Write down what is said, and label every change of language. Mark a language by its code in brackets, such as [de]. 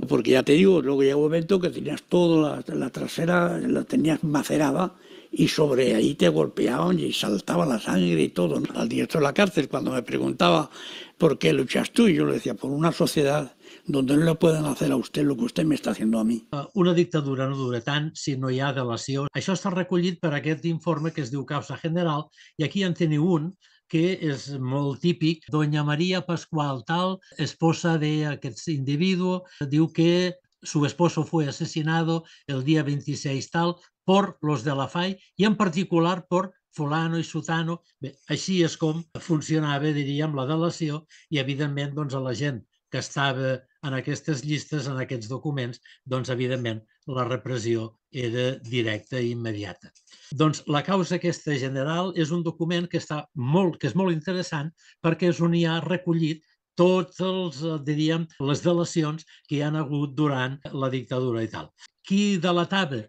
[es] Porque ya te digo, luego llegó un momento que tenías toda la trasera, la tenías macerada, y sobre ahí te golpeaban y saltaba la sangre y todo, ¿no? Al director de la cárcel, cuando me preguntaba por qué luchas tú, yo le decía, por una sociedad donde no le pueden hacer a usted lo que usted me está haciendo a mí. [ca] Una dictadura no dura tant si no hi ha delació. Això està recollit per aquest informe que es diu Causa General, i aquí en teniu un que és molt típic. [es] Doña María Pascual Tal, esposa [ca] d'aquest individu, diu [es] que su esposo fue asesinado el día 26 tal por los de la FAI y en particular por fulano y sutano. [ca] Bé, així és com funcionava, diríem, la delació, i evidentment doncs a la gent que estava en aquestes llistes, en aquests documents, doncs evidentment la repressió era directa i immediata. Doncs la causa aquesta general és un document que és molt interessant perquè és on hi ha recollit tots els, diríem, les delacions que hi han hagut durant la dictadura i tal. Qui delatava?